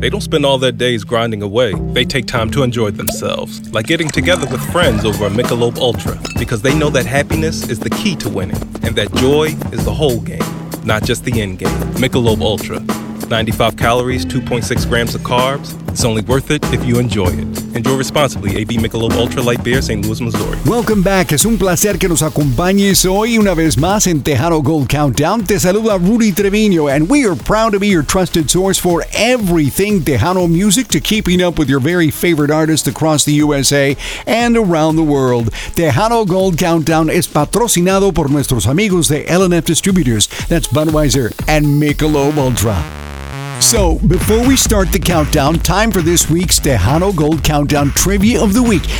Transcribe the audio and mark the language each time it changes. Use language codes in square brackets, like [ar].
[en] They don't spend all their days grinding away. They take time to enjoy themselves, like getting together with friends over a Michelob Ultra, because they know that happiness is the key to winning and that joy is the whole game, not just the end game. Michelob Ultra. 95 calories, 2.6 grams of carbs. It's only worth it if you enjoy it. Enjoy responsibly. AB Michelob Ultra Light Beer, St. Louis, Missouri. Welcome back. [es] Es un placer que nos acompañes hoy una vez más en Tejano Gold Countdown. Te saluda [en] Rudy Treviño, and we are proud to be your trusted source for everything Tejano music, to keeping up with your very favorite artists across the USA and around the world. [es] Tejano Gold Countdown es patrocinado por nuestros amigos de LNF Distributors. [en] That's Budweiser and Michelob Ultra. So, before we start the countdown, time for this week's Tejano Gold Countdown Trivia of the Week.